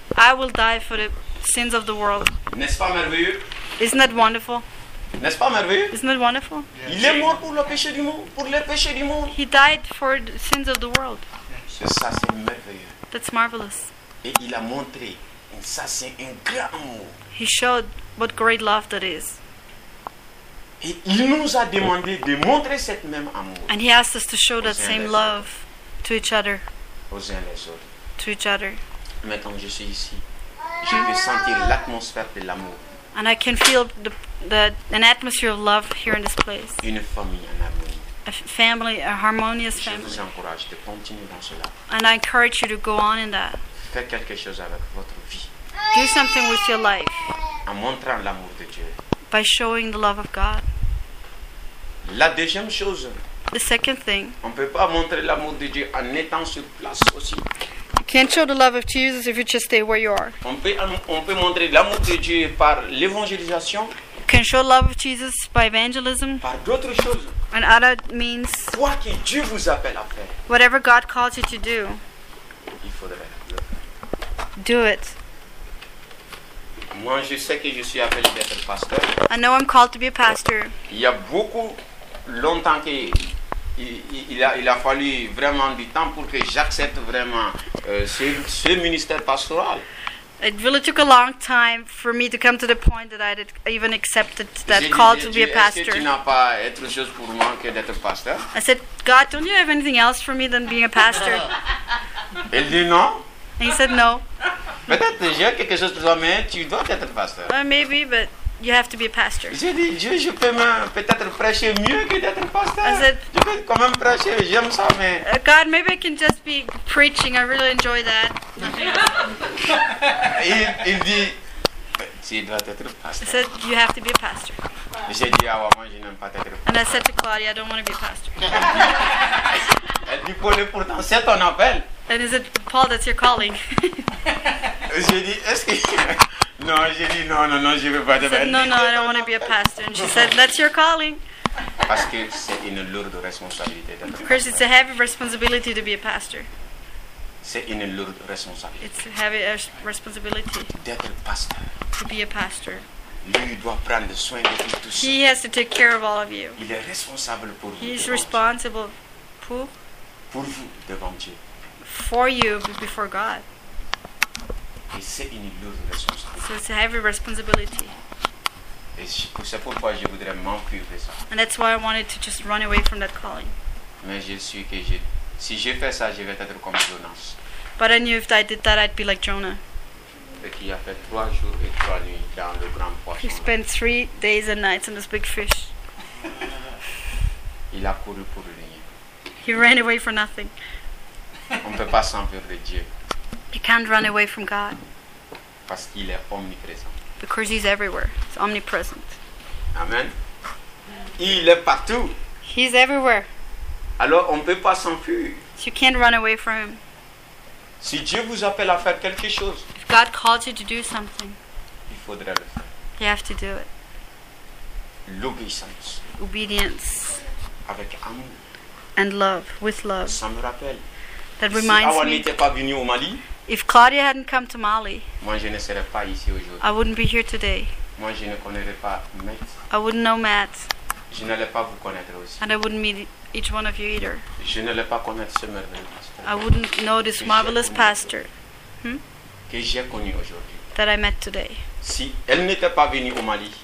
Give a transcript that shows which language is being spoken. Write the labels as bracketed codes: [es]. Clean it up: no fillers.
[en] I will die for the sins of the world. [fr] N'est-ce pas merveilleux? [en] Isn't that wonderful? [fr] N'est-ce pas merveilleux? [en] Isn't that wonderful? Yeah. [fr] Il est mort pour les péchés du monde. Pour les péchés du monde. [en] He died for the sins of the world. [fr] Yeah. Ça, c'est merveilleux. [en] That's marvelous. [fr] Et il a montré. Ça, c'est un grand amour. [en] He showed what great love that is. [fr] Et il nous a demandé de montrer cette même amour. [en] And he asked us to show that same love to each other. [fr] Aux uns les autres. [en] To each other. [fr] Maintenant, je suis ici. Je peux sentir l'atmosphère de l'amour. [en] And I can feel an atmosphere of love here in this place. [fr] Une famille en harmonie. [en] A family, a harmonious family. [fr] Je vous encourage de continuer dans cela. [en] And I encourage you to go on in that. [fr] Faites quelque chose avec votre vie. [en] Do something with your life. [fr] En montrant l'amour de Dieu. [en] By showing the love of God. [fr] La deuxième chose. [en] The second thing. [fr] On peut pas montrer l'amour de Dieu en étant sur place aussi. [en] You can't show the love of Jesus if you just stay where you are. [fr] On peut montrer l'amour de Dieu par l'évangélisation. [en] You can show love of Jesus by evangelism. [fr] Par d'autres choses. [en] And other means. [fr] Quoi que Dieu vous appelle à faire. [en] Whatever God calls you to do. [fr] Il faudrait. [en] Do it. [fr] Moi, je sais que je suis appelé d'être pasteur. [en] I know I'm called to be a pastor. [fr] Il y a beaucoup longtemps que il a fallu vraiment du temps pour que j'accepte vraiment ce ministère pastoral. [en] It really took a long time for me to come to the point that I had even accepted that [fr] j'ai [en] call [fr] dit, [en] to be a pastor. [fr] Est-ce que tu n'as pas autre chose pour moi que d'être pasteur? [en] I said, God, don't you have anything else for me than being a pastor? [fr] Il dit non. [en] And he said no. [fr] Peut-être j'ai quelque chose pour toi, mais tu dois être pasteur. [en] Maybe, but you have to be a pastor. [fr] J'ai dit, je peux peut-être prêcher mieux que d'être pasteur. Je peux quand même prêcher, j'aime ça, mais... [en] God, maybe I can just be preaching, I really enjoy that. [fr] Il dit, tu dois être pasteur. [en] He said, you have to be a pastor. [fr] J'ai dit, ah ouais, moi je n'aime pas être pasteur. [en] And I said to Claudia, I don't want to be a pastor. [fr] Elle dit, Paul, pourtant, c'est ton appel. [en] And is it Paul that's your calling? [fr] J'ai dit, est-ce que... Non, j'ai dit, non, je ne veux pas devenir... [en] Said, no, I don't want to be a pastor. And she said, that's your calling. [fr] Parce que c'est une lourde responsabilité d'être pasteur. [en] Of course, it's a heavy responsibility to be a pastor. [fr] C'est une lourde responsabilité. [en] It's a heavy responsibility. [fr] D'être pasteur. [en] To be a pastor. [fr] Lui doit prendre soin de tout ça. [en] He has to take care of all of you. [fr] Il est responsable pour [en] He's [fr] vous. [en] He's responsible [fr] pour... Pour vous, devant Dieu. [en] For you, but before God. [fr] C'est une lourde responsabilité. [en] So it's a heavy responsibility. [fr] C'est pourquoi je voudrais m'enfuir de ça. [en] And that's why I wanted to just run away from that calling. [fr] Mais je suis que je, si je fais ça, je vais être comme Jonas. [en] But I knew if I did that, I'd be like Jonah. [fr] Et qui a fait 3 jours et 3 nuits dans le grand poisson. [en] He spent 3 days and nights on this big fish. [fr] Il a couru pour rien. [en] He ran away for nothing. [fr] On ne peut pas s'enfuir de Dieu. [en] You can't run away from God. [fr] Parce qu'il est omniprésent. [en] Because he's everywhere. He's omnipresent. [fr] Amen. Il est partout. [en] He's everywhere. [fr] Alors on ne peut pas s'enfuir. [en] You can't run away from him. [fr] Si Dieu vous appelle à faire quelque chose. [en] If God calls you to do something. [fr] Il faudrait le faire. [en] You have to do it. [fr] L'obéissance. [en] Obedience. [fr] Avec amour. [en] And love. With love. [fr] Ça me rappelle. [en] That reminds [fr] si [en] me, [fr] pas venu au Mali, [en] if Claudia hadn't come to Mali, [fr] moi je ne serais pas ici aujourd'hui. [en] I wouldn't be here today. [fr] Moi je ne connaîtrais pas Matt. [en] I wouldn't know Matt. [fr] Je n'allais pas vous connaître aussi. [en] And I wouldn't meet each one of you either. [fr] Je n'allais pas connaître ce merveilleux pasteur. [en] I wouldn't know this marvelous pastor [fr] que j'ai connu aujourd'hui. [en] That I met today. [fr] Si elle n'était pas venue au Mali,